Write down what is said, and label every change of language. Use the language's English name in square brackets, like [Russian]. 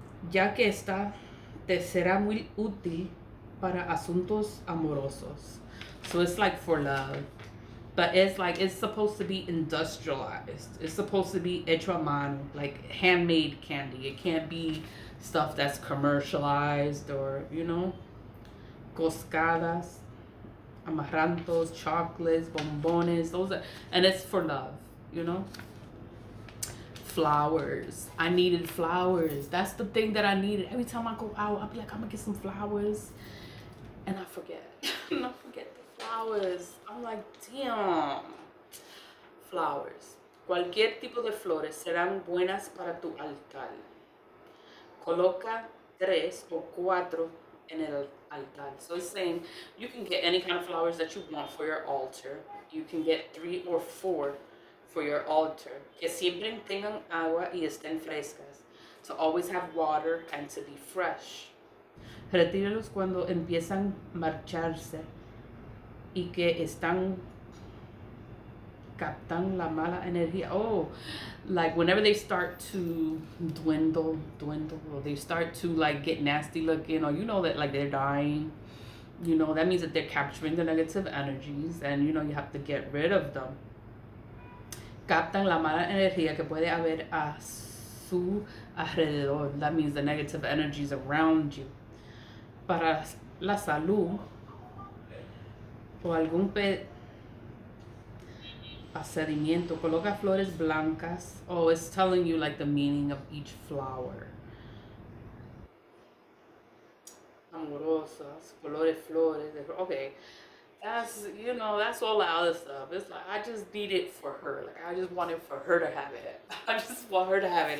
[Spanish] Ya que esta te será muy útil para asuntos amorosos. [English] So it's like for love. But it's like, it's supposed to be industrialized. It's supposed to be [Spanish] hecho a mano, [English] like handmade candy. It can't be stuff that's commercialized or, you know. [Spanish] Coscadas, amarantos, chocolates, bombones, [English] those are, and it's for love, you know. Flowers. I needed flowers. That's the thing that I needed. Every time I go out, I'll be like, I'm gonna get some flowers. And I forget. And I forget the flowers. I'm like, damn. Flowers. [Spanish] Cualquier tipo de flores serán buenas para tu altar. Coloca tres o cuatro en el altar. [English] So it's saying you can get any kind of flowers that you want for your altar. You can get three or four for your altar. [Spanish] Que siempre tengan agua y estén frescas. [English] To always have water and to be fresh. [Spanish] Retírelos cuando empiezan marcharse y que están captan la mala energía. [English] Oh, like whenever they start to dwindle, or they start to like get nasty looking, or you know that like they're dying, you know, that means that they're capturing the negative energies and you know you have to get rid of them. [Spanish] Captan la mala energía que puede haber a su alrededor. [English] That means the negative energies around you. [Spanish] Para la salud o algún procedimiento, coloca flores blancas. [English] Oh, it's telling you like the meaning of each flower. [Spanish] Amorosas, colores, flores. [English] Okay, that's, you know, that's all the other stuff. It's like, I just need it for her. Like, I just want it for her to have it. I just want her to have it.